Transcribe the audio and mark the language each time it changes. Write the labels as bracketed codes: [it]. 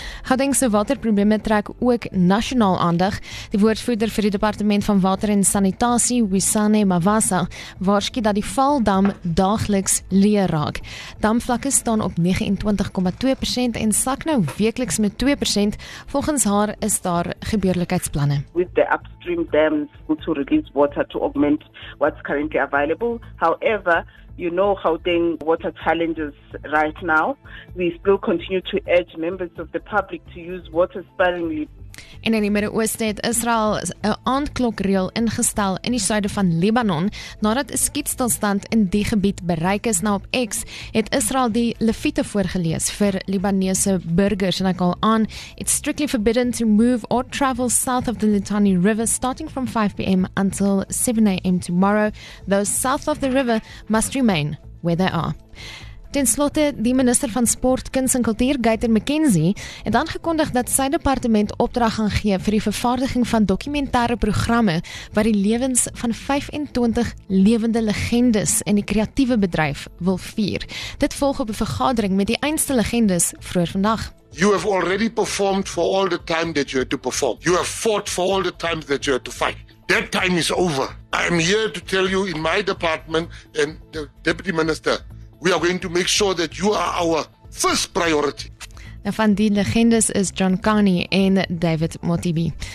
[af] Gauteng se waterprobleme trek ook nasionaal aandag. Die woordvoerder vir die departement van water en sanitasie, Wisane Mavasa, waarsku dat die Valdam daagliks leeg raak. Damvlakke staan op 29,2% en sak nou weekliks met 2% volgens haar is daar gebeurlikheidsplanne. [en] With the upstream dams to release water to augment what's currently available. However, you know Gauteng water challenges right now. We still continue to urge members of the public to use water sparingly. [af] En in die Midde-Ooste het Israel 'n aandklokreël ingestel in die suide van Libanon nadat 'n skietstilstand in die gebied bereik is. Nou op X het Israel die Lewiete voorgelees vir Libanese burgers en ek haal aan: [en] It's strictly forbidden to move or travel south of the Litani River starting from 5 PM until 7 AM tomorrow. Those south of the river must remain where they are. [af] Ten slotte, die minister van sport, kuns en kultuur, Gaiter McKenzie, het aangekondig dat sy departement opdrag gaan gee vir die vervaardiging van dokumentêre programme wat die lewens van 25 lewende legendes in die kreatiewe bedryf wil vier. Dit volg op 'n vergadering met die eindste legendes vroeër vandag. [en] You have already performed for all the time that you had to perform. You have fought for all the time that you had to fight. That time is over. I am here to tell you in my department and the deputy minister, we are going to make sure that you are our first priority. [af] Nou, van die legendes is John Carney en David Motibi.